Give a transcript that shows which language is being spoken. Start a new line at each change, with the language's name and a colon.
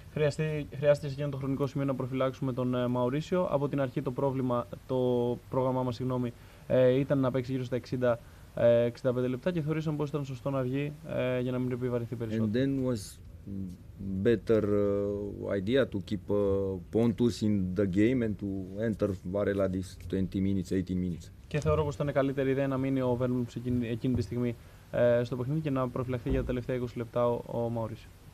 Greek: Χρειάστηκε εκείνο το χρονικό σημείο να προφυλάξουμε τον Μαουρίσιο. Από την αρχή το πρόβλημα, το πρόγραμμά μας, συγγνώμη, ήταν να παίξει γύρω στα 60-65 λεπτά και θεωρήσαμε πως ήταν σωστό να βγει για να μην επιβαρυνθεί περισσότερο.
English: And then was better idea to keep Pontus in the game and to enter Varela this 20 minutes, 18 minutes.
Greek: Και θεωρώ πως ήταν καλύτερη ιδέα να μείνει ο Βέρμπλουμ εκείνη τη στιγμή στο παιχνίδι και να προφυλαχθεί για τα τελευταία 20 λεπτά ο Μαουρίσιο.